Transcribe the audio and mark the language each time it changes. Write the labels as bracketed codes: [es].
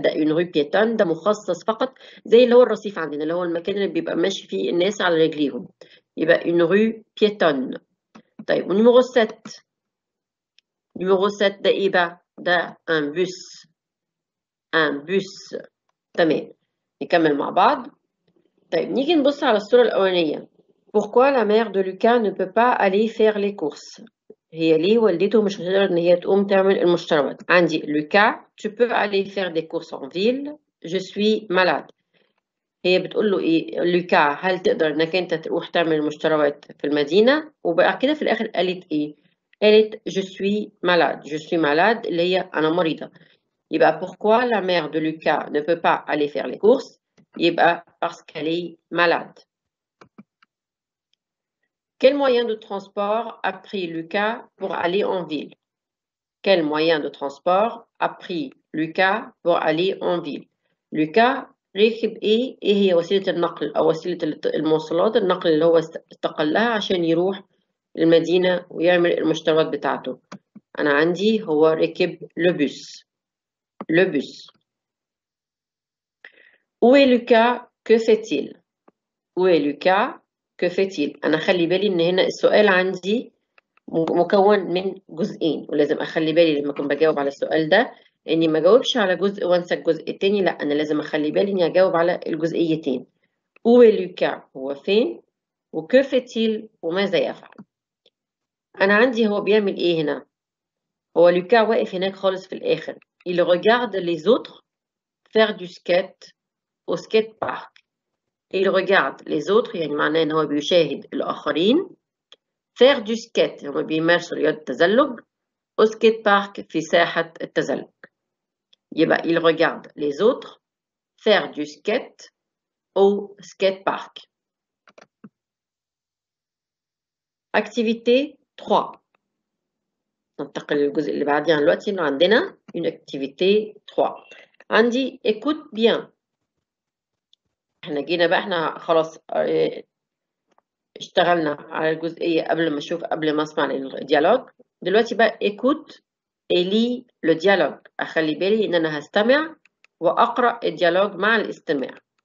[ar] لا ده اون رو بيتون ده مخصص فقط، زي اللي هو الرصيف عندنا، اللي هو المكان اللي بيبقى ماشي فيه الناس على رجليهم، يبقى اون رو بيتون. طيب ونيمورو 7، نيمورو 7 ده ايه بقى؟ ده ان بوس، ان بوس. تمام نكمل مع بعض. طيب نيجي نبص على الصورة الأولانية. [fr] Pourquoi la mère de Lucas ne peut pas aller faire les courses؟ [ar] هي ليه والدته مش هتقدر ان هي تقوم تعمل المشتريات؟ [fr] عندي Lucas tu peux aller faire des courses en ville، je suis malade. [ar] هي بتقول له ايه؟ Lucas هل تقدر انك انت تروح تعمل المشتريات في المدينة؟ وبقى كده في الاخر قالت ايه؟ قالت [fr] je suis malade، je suis malade [ar] اللي هي أنا مريضة. [fr] يبقى pourquoi la mère de Lucas ne peut pas aller faire les courses؟ يبقى parce qu'elle est malade. Quel moyen de transport a pris Lucas pour aller en ville؟ [ar] Quel moyen de transport a pris Lucas pour aller en ville؟ Lucas ركب إيه؟ إيه هي وسيلة النقل أو وسيلة المواصلات، النقل اللي هو استقل لها عشان يروح المدينة ويعمل المشتريات بتاعته. أنا عندي هو ركب لوبوس، لوبوس. [fr] Où est Lucas? Que fait-il? Où est Lucas? Que fait-il? [ar] أنا خلي بالي إن هنا السؤال عندي مكون من جزئين، ولازم أخلي بالي لما أكون بجاوب على السؤال ده إني ما أجاوبش على جزء وأنسى الجزء التاني، لأ أنا لازم أخلي بالي إني أجاوب على الجزئيتين. [fr] Où est Lucas؟ [ar] هو فين؟ وكيف فتيل؟ وماذا يفعل؟ أنا عندي هو بيعمل إيه هنا؟ هو لوكا واقف هناك خالص في الآخر. [fr] Il regarde les autres faire du skate au skate park. Il regarde les autres [ar] يعني معناه إن هو بيشاهد الآخرين [fr] faire du skate [ar] هم بيمارسوا رياضة التزلج [fr] au skate park [ar] في ساحة التزلج. [fr] يبقى il regarde les autres faire du skate au skate park. Activité 3. [ar] ننتقل للجزء اللي بعديه دلوقتي انه عندنا [fr] une activité 3. عندي écoute bien. [ar] احنا جينا بقى احنا خلاص اشتغلنا على الجزئيه قبل ما اشوف قبل ما اسمع الديالوج. دلوقتي بقى [fr] écoute et lis le dialogue. [ar] اخلي بالي ان انا هستمع واقرا الديالوج مع الاستماع.